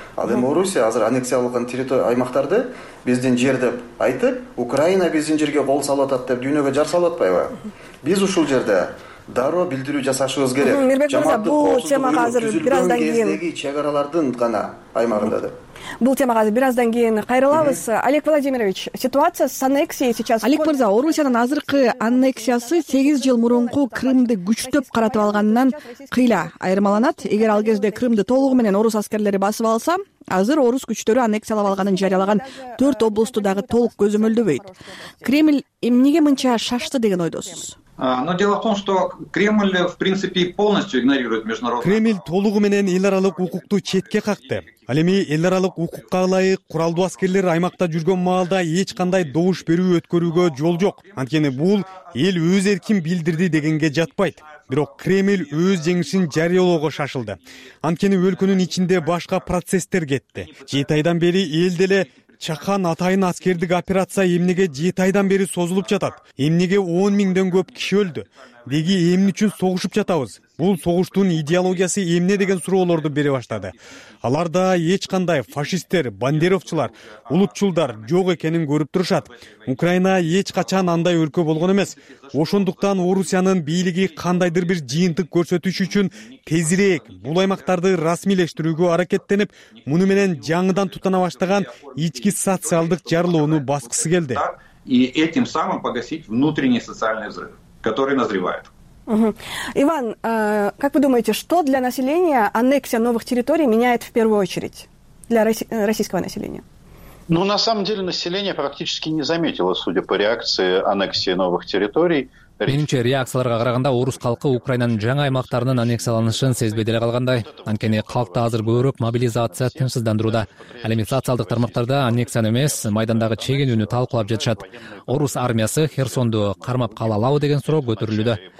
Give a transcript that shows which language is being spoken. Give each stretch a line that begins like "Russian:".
Kyrgyz: Ал эми Орусия азыр аннексиялаган территория аймактарды биздин жер деп айтып, Украина биздин жерге кол салып атат деп дүйнөгө жар салып атпайбы? Биз ушул жерде дароо билдирүү жасашыбыз керек. Мирбек мырза, бул темага азыр бир аздан кийин кездеги чек аралардын гана аймагында да. Бул темага азыр бир аздан кийин кайрылабыз.
Russian: Олег Владимирович, ситуация с аннексией сейчас.
Kyrgyz: Олег мырза, Орусиянын азыркы аннексиясы 8 жыл мурунку Крымды күчтөп каратып алганынан кыйла айырмаланат. Эгер ал кезде Крымды толугу менен орус аскерлери басып алса, азыр орус күчтөрү аннексиялап алганын жарыялаган 4 областты дагы толук көзөмөлдөбөйт. Кремль эмнеге мынча шашты деген ойдосуз?
Russian: Но дело в том, что Кремль, в принципе, полностью игнорирует международный...
Kyrgyz: Кремль толугу менен эл аралык укукту четке какты. Ал эми эл аралык укукка ылайык куралдуу аскерлер аймакта жүргөн маалда эч кандай добуш берүү өткөрүүгө жол жок. Анткени бул эл өз эркин билдирди дегенге жатпайт. Бирок Кремль өз жеңишин жарыялоого шашылды. Анткени өлкөнүн ичинде башка процесстер кетти. Жети айдан бери эл деле Чакан атайын аскердик операция эмнеге 7 айдан бери созулуп жатат? Эмнеге 10 000 көп киши өлдү? Деги эмне үчүн согушуп жатабыз? Бул согуштун идеологиясы эмне деген суроолорду бере баштады. Алар да эч кандай фашисттер, бандеровчулар, улутчулдар жок экенин көрүп турушат. Украина эч качан андай өлкө болгон эмес. Ошондуктан Орусиянын бийлиги кандайдыр бир жыйынтык көрсөтүш үчүн тезирээк бул аймактарды расмийлештирүүгө аракеттенип, муну менен жаңыдан тутана баштаган ички социалдык жарылууну баскысы келди.
Russian: И этим самым погасить внутренний социальный взрыв, который назревает. Иван, как вы думаете, что для населения аннексия новых территорий меняет в первую очередь для российского населения? Ну, на самом деле, население практически не заметило, судя по реакции аннексии новых территорий.
Kyrgyz: Менимче реакцияларга караганда орус халкы Украинанын жаңы аймактарынын аннексияланышын сезбеде эле калгандай. Анткени халкта азыр көбүрөөк мобилизация тынчсыздандырууда. Ал эми социалдык тармактарда аннексияны эмес, майдандагы чегинүүнү талкуулап жатышат. Орус армиясы Херсонду кармап кала алабы деген суроо көтөрүлүүдө.